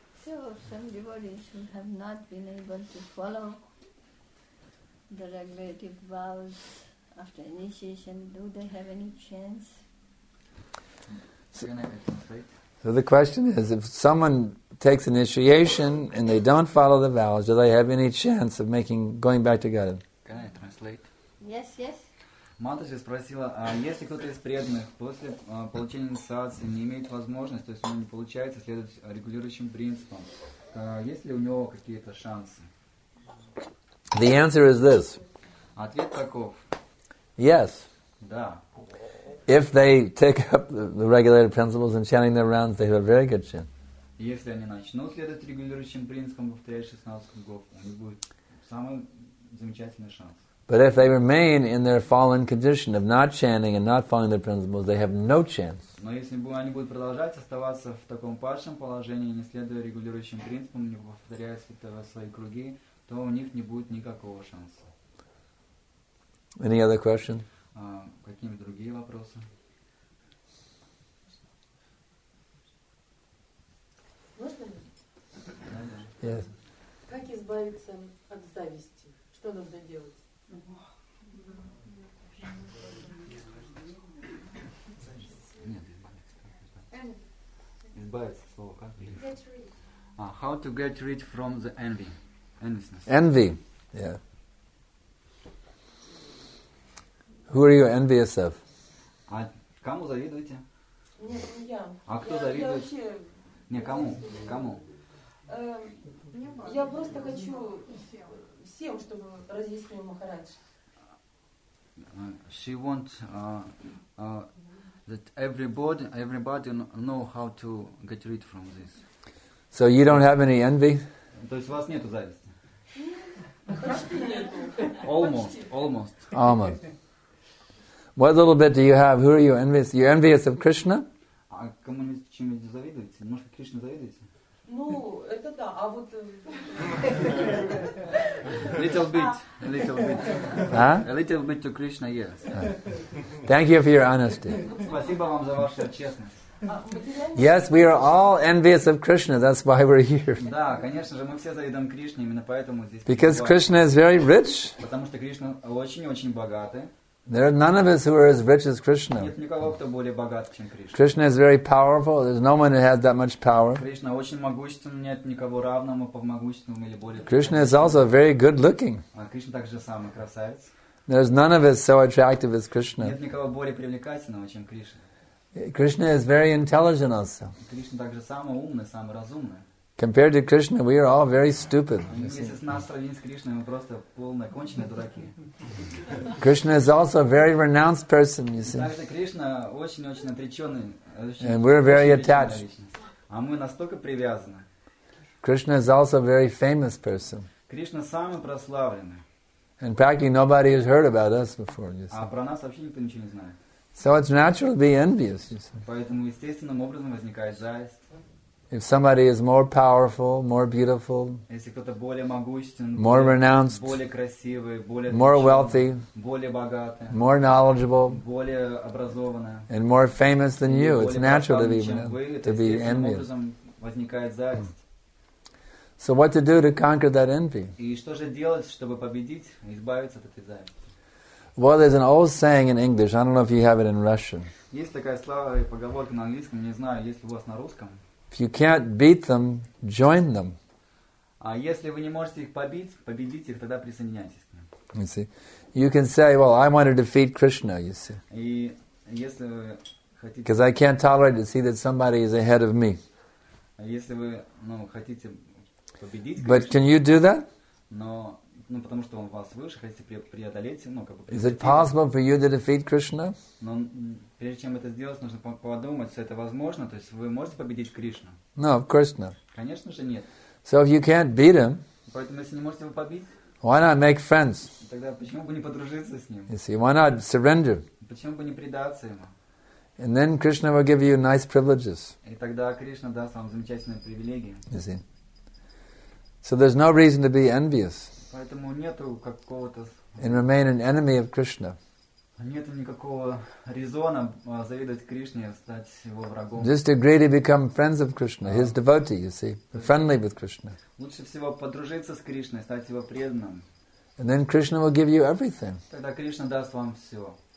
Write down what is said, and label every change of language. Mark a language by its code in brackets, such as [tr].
[en] So some devotees who have not been able to follow the regulative vows after initiation, do they have any chance? So the question is, if someone takes initiation and they don't follow the vows, do they have any chance of going back to Godhead? Can I translate? Yes, yes. [ru] Матаджи спросила, а если кто-то из преданных после получения инициации не имеет возможности, то есть у него не получается следовать регулирующим принципам, есть ли у него какие-то шансы? [en] The answer is this. [ru] Ответ таков. [en] Yes. [ru] Да. [en] If they take up the regulated principles and chanting their rounds, they have a very good chance. [ru] Если они начнут следовать регулирующим принципам, повторяя 16 кругов, у них будет самый замечательный шанс. [en] But if they remain in their fallen condition of not chanting and not following their principles, they have no chance. [ru] Но если они будут продолжать оставаться в таком падшем положении, не следуя регулирующим принципам, не повторяя свои круги, то у них не будет никакого шанса. [en] Any other question? [ru] Какие-нибудь другие вопросы? Можно? [en] Yes. [ru] Как избавиться от зависти? Что нужно делать? Избавиться, слово как? [en] Get rid. How to get rid from the envy? Enviousness. Envy. Yeah. Who are you envious of? [ru] А кому завидуете? Нет, не я. А кто завидует? Я вообще... Не, кому? Кому? Я просто хочу всем, чтобы разъяснил Махарадж. [en] She wants that everybody know how to get rid from this. So you don't have any envy? [ru] То есть у вас нету зависти? Почти нету. [en] Almost, almost. Almost. What little bit do you have? Who are you envious? You're envious of Krishna? [ru] А кому-нибудь чем-нибудь завидуете? Может, Кришне завидуете? Ну, это да, а вот... [en] Little bit. Huh? A little bit to Krishna, yes. Thank you for your honesty. [ru] Спасибо вам за вашу честность. [en] Yes, we are all envious of Krishna. That's why we're here. [ru] Да, конечно же, мы все завидуем Кришне, именно поэтому здесь. [en] Because Krishna is very rich. [ru] Потому что Кришна очень-очень богатый. [en] There are none of us who are as rich as Krishna. [ru] Нет никого, кто более богат, чем Кришна. [en] Krishna is very powerful. There's no one who has that much power. [ru] Кришна очень могущественный, нет никого равного по могуществу или более. [en] Krishna is also very good looking. [ru] А Кришна также самый красавец. [en] There's none of us so attractive as Krishna. [ru] Нет никого более привлекательного, чем Кришна. [en] Krishna is very intelligent also. [ru] Кришна также самый умный, самый разумный. [en] Compared to Krishna, we are all very stupid. [ru] Если с нас сравнить с Кришной, мы просто полные конченые дураки. [en] Krishna is also a very renounced person, you see. [ru] Также Кришна очень-очень отреченный. [en] And we're very attached. [ru] А мы настолько привязаны. [en] Krishna is also a very famous person. [ru] Кришна самый прославленный. [en] And practically nobody has heard about us before, you see. [ru] А про нас вообще никто ничего не знает. [en] So it's natural to be envious. [ru] Поэтому естественным образом возникает зависть. [en] If somebody is more powerful, more beautiful, [ru] если кто-то более могущественный, [en] more renounced, [ru] более красивый, более [en] more wealthy, [ru] более богатый, [en] more knowledgeable, [ru] более образованный, [en] and more famous than you, it's natural to be envious. [ru] То есть естественным образом возникает зависть. [en] So what to do to conquer that envy? [ru] И что же делать, чтобы победить, избавиться от этой зависти? [en] Well, there's an old saying in English. I don't know if you have it in Russian. [ru] Есть такая славная поговорка на английском. Не знаю, есть ли у вас на русском. [en] If you can't beat them, join them. [ru] А если вы не можете их побить, победите их, тогда присоединяйтесь к ним. [en] You see, you can say, "Well, I want to defeat Krishna." You see. [ru] И если вы хотите. [en] Because I can't tolerate to see that somebody is ahead of me. [ru] А если вы, ну, хотите победить [en] Krishna. But can you do that? [ru] Но ну, потому что он вас выше, хотите преодолеть, ну, как бы... [en] Is it possible for you to defeat Krishna? [ru] Но прежде чем это сделать, нужно подумать, это возможно, то есть вы можете победить Кришну? [en] No, of course not. [ru] Конечно же, нет. [en] So if you can't beat him, [ru] поэтому если не можете его побить, [en] why not make friends? [ru] Тогда почему бы не подружиться с ним? [en] You see, why not surrender? [ru] Почему бы не предаться ему? [en] And then Krishna will give you nice privileges. [ru] И тогда Кришна даст вам замечательные привилегии. [en] You see. So there's no reason to be envious. [ru] Поэтому нету какого-то. [en] And remain an enemy of Krishna. [ru] Нету никакого резона завидовать Кришне, стать его врагом. [en] Just agree to become friends of Krishna, his devotee, you see, friendly with Krishna. [ru] Лучше всего подружиться с Кришной, стать его преданным. [en] And then Krishna will give you everything. [ru] Тогда Кришна даст вам все.